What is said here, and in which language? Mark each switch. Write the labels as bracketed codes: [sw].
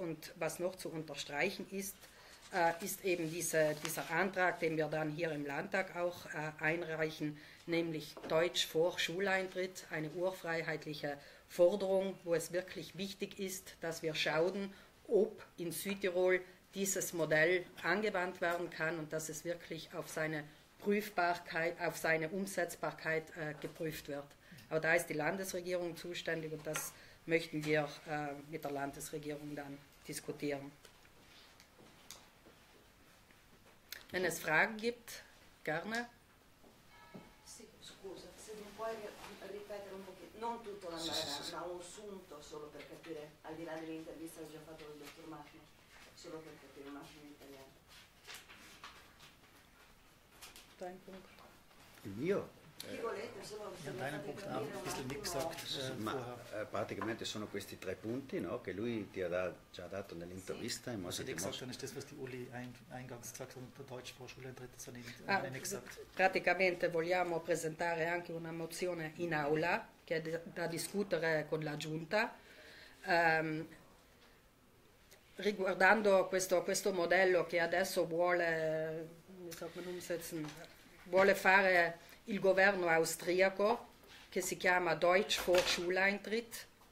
[de] Und was noch zu unterstreichen ist, ist eben dieser Antrag, den wir dann hier im Landtag auch einreichen, nämlich Deutsch vor Schuleintritt, eine urfreiheitliche Forderung, wo es wirklich wichtig ist, dass wir schauen, ob in Südtirol dieses Modell angewandt werden kann und dass es wirklich auf seine Prüfbarkeit, auf seine Umsetzbarkeit geprüft wird. Aber da ist die Landesregierung zuständig und das möchten wir mit der Landesregierung dann diskutieren. Wenn es Fragen gibt, gerne. [it] Scusa, se mi puoi ripetere un pochino, non tutto la ma un sunto solo per capire, al di là dell'intervista che ho già fatto con il dottor Massimo, solo per capire un attimo in italiano. [de] Dein Punkt. [it] Il mio? [de] In deinem Punkt haben wir ein bisschen nicht gesagt. [it] Praticamente sono questi tre punti, no, che lui ti ha già dato nell'intervista. [de] Also nicht gesagt, dann ist das, was die Uli eingangs gesagt hat, der Deutsch vor Schulentritt, das hat nicht gesagt. [it] Praticamente vogliamo presentare anche una mozione in aula, che da discutere con la Giunta. Riguardando questo modello che adesso vuole fare il governo austriaco, che si chiama Deutsch vor Schuleintritt,